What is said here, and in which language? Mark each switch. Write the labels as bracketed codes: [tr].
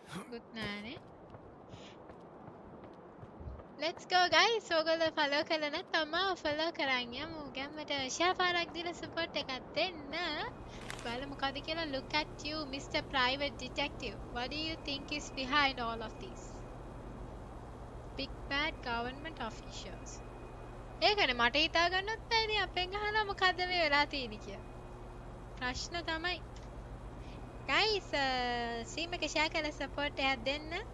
[si] Good නෑනේ. [en] Let's go guys. [si] ඔයගොල්ලෝ follow කරලා නැත්නම් මාව follow කරන් යමු. ගැම්මට share පාරක් දීලා support එකක් දෙන්න. බලමු මොකද කියලා. [en] Look at you Mr. Private Detective. What do you think is behind all of this? Big bad government officials. [si] ඒකනේ මට හිතා ගන්නත් බැරි අපෙන් අහලා මොකද මේ වෙලා තියෙන්නේ කියලා. ප්‍රශ්න තමයි. Guys, සීමක share කරලා support එකක් දෙන්න.